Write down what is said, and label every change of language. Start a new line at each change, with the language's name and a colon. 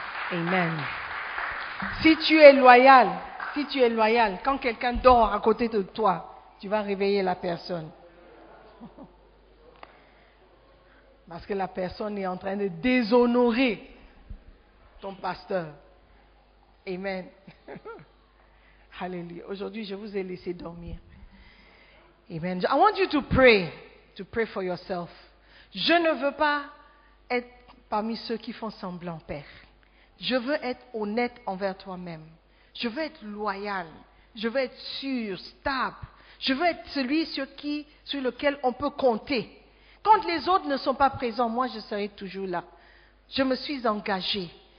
French: Amen. Si tu es loyal, quand quelqu'un dort à côté de toi, tu vas réveiller la personne. Parce que la personne est en train de déshonorer ton pasteur. Amen. Alléluia. Aujourd'hui, je vous ai laissé dormir. Amen.
English: I want you to pray for yourself.
French: Je ne veux pas être parmi ceux qui font semblant, Père. Je veux être honnête envers toi-même. Je veux être loyal, je veux être sûr, stable. Je veux être celui sur lequel on peut compter. Quand les autres ne sont pas présents, moi je serai toujours là. Je me suis engagée.